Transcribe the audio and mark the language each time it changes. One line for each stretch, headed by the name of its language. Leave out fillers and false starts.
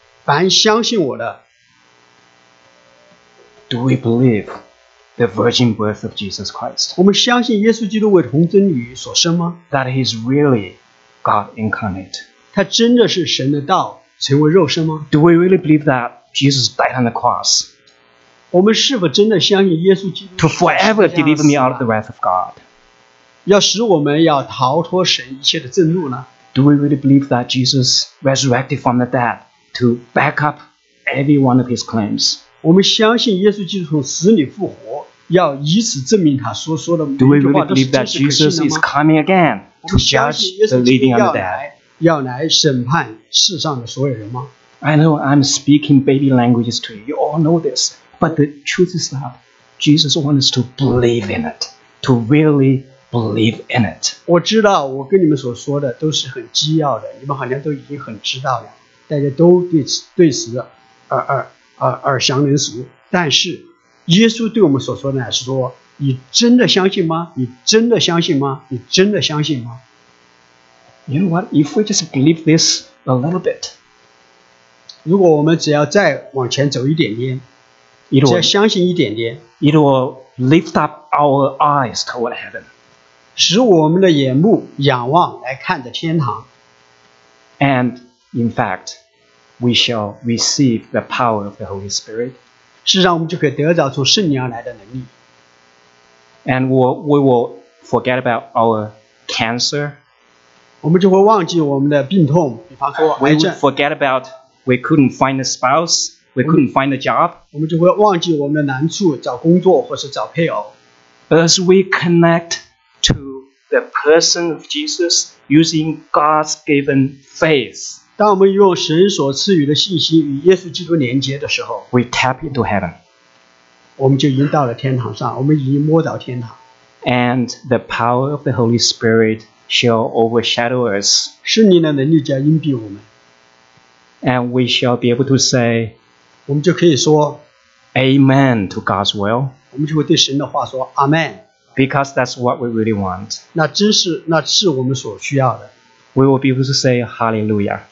Chinese: 凡相信我的,
English: do we believe the virgin birth of Jesus Christ?
Chinese: 我们相信耶稣基督为童贞女所生吗?
English: That he is really God incarnate.
Chinese: 他真的是神的道, 成为肉身吗?
English: Do we really believe that Jesus died on the cross?
Chinese: 我们是否真的相信耶稣基督?
English: To forever deliver me out of the wrath of God.
Chinese: 要使我们要逃脱神一切的震怒呢?
English: Do we really believe that Jesus resurrected from the dead to back up every one of his claims?
Chinese: 我们相信耶稣基督从死里复活, 要以此证明他所说的每一句话都是真实可信的吗?
English: Do we really believe that Jesus is coming again to judge the living and the dead?
Chinese: 要来审判世上的所有人吗?
English: I know I'm speaking baby languages to you. You all know this. But the truth is that Jesus wants us to believe in it. To really believe in it.
Chinese: 我知道我跟你们所说的都是很机要的, 你们好像都已经很知道了, 大家都对此耳相能熟, 但是, 耶稣对我们所说的是说, 你真的相信吗? 你真的相信吗?你真的相信吗?
English: You know what? If we just believe this a little bit,
Chinese: 如果我们只要再往前走一点点,
English: it will,
Chinese: 只要相信一点点,
English: it will lift up our eyes toward heaven,
Chinese: 使我们的眼目仰望来看着天堂,
English: and in fact, we shall receive the power of the Holy Spirit.
Chinese: 事实上我们就可以得着从圣灵而来的能力,
English: and we will forget about our cancer.
Chinese: 我们就会忘记我们的病痛, 比方说癌症,
English: we forget about we couldn't find a spouse, we couldn't find a job.
Chinese: 我们就会忘记我们的难处, 找工作或是找配偶,
English: but as we connect to the person of Jesus using God's given faith,
Chinese: 当我们用神所赐予的信息与耶稣基督连接的时候,
English: we tap into heaven.
Chinese: 我们就已经到了天堂上, 我们已经摸到天堂,
English: and the power of the Holy Spirit shall overshadow us.
Chinese: 圣灵的能力将荫蔽我们,
English: and we shall be able to say,
Chinese: 我们就可以说,
English: Amen to God's will.
Chinese: 我们就会对神的话说, Amen.
English: Because that's what we really want.
Chinese: 那真是, 那是我们所需要的,
English: we will be able to say hallelujah.